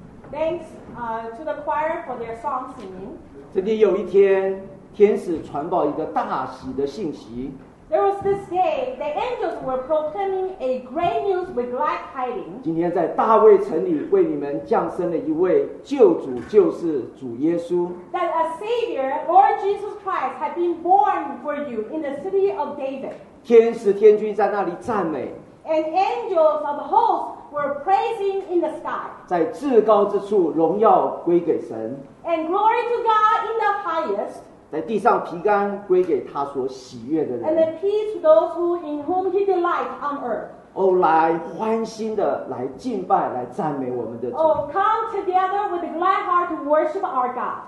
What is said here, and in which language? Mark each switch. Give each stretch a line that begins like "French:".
English: Thanks, to the choir for their song singing.
Chinese: 这里有一天，天使传报一个大喜的信息。
English: There was this day the angels were proclaiming a great news with glad tidings.
Chinese: 今天在大卫城里为你们降生了一位救主，就是主耶稣。
English: That a savior, Lord Jesus Christ, had been born for you in the city of David.
Chinese: 天使天君在那里赞美。
English: And angels of hosts were praising in the sky.
Chinese: 在至高之处，荣耀归给神。
English: And glory to God in the highest.
Chinese: 在地上平安归给他所喜悦的人。
English: And the peace to those who in whom he delights on earth.
Chinese: 哦，来欢欣的来敬拜来赞美我们的主。
English: Oh, come together with a glad heart to worship our God.